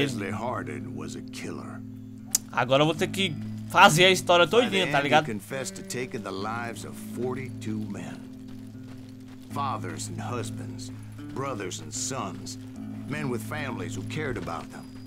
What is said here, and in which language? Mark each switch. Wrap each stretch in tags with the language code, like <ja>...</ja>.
<en>Wesley Harden was a killer.</en> <pt>Agora eu vou ter que fazer a história todinha, tá ligado?</pt> <en>He confessed to taking the lives of 42 men. Fathers and husbands, brothers and sons, men with families who cared about them.</en>